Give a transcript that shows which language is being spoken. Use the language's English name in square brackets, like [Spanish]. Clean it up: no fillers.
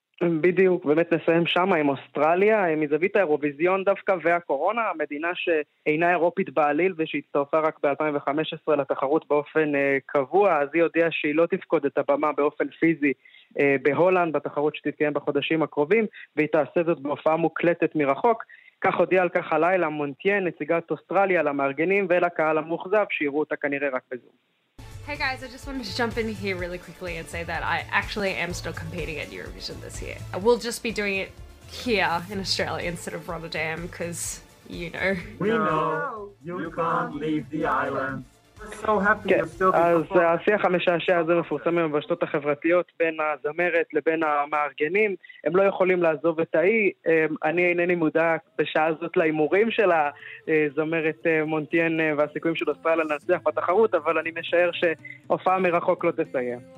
[Hebrew] בדיוק, באמת נסיים שם עם אוסטרליה, מזווית האירוויזיון דווקא והקורונה, המדינה שאינה אירופית בעליל ושהצטרפה רק ב-2015 לתחרות באופן קבוע, אז היא הודיעה שהיא לא תפקוד את הבמה באופן פיזי בהולנד בתחרות שתתקיים בחודשים הקרובים, והיא תעשה זאת בהופעה מוקלטת מרחוק. כך הודיעה על כך הלילה מונטיין, נציגת אוסטרליה למארגנים ולקהל המוחזב, שיראו אותה כנראה רק בזום. [English] Hey guys, I just wanted to jump in here really quickly and say that I actually am still competing at Eurovision this year. I will just be doing it here in Australia instead of Rotterdam because, you know. We know you can't leave the island. [Hebrew] אז השיח המשעשע הזה מפורסם מבשתות החברתיות בין הזמרת לבין המארגנים, הם לא יכולים לעזוב את האי. אני אינני מודע בשעה הזאת לאימורים של הזמרת מונטיין והסיכויים של אוסטרליה לנצח בתחרות, אבל אני משער שהופעה מרחוק לא תסייע.